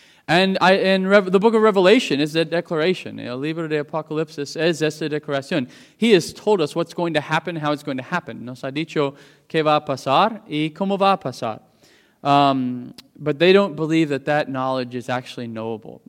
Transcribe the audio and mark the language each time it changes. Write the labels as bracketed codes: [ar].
[en] And the book of Revelation is a declaration. [es] El libro de Apocalipsis es esta declaración. [en] He has told us what's going to happen, how it's going to happen. [es] Nos ha dicho qué va a pasar y cómo va a pasar. [en] But they don't believe that that knowledge is actually knowable.